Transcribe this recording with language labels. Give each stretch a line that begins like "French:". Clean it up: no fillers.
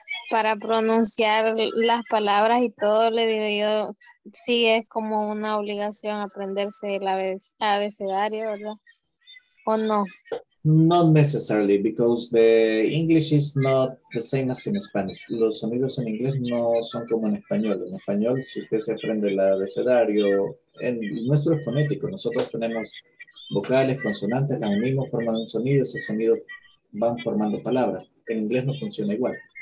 Spanish: Para pronunciar las palabras y todo, le digo yo, sí, es como una obligación aprenderse el abecedario, ¿verdad? ¿O no?
English: Not necessarily, because the English is not the same as in Spanish.
Spanish: Los sonidos en inglés no son como en español. En español, si usted se aprende el abecedario, en nuestro fonético, nosotros tenemos vocales, consonantes, las mismas forman un sonido, esos sonidos van formando palabras. En inglés no funciona igual.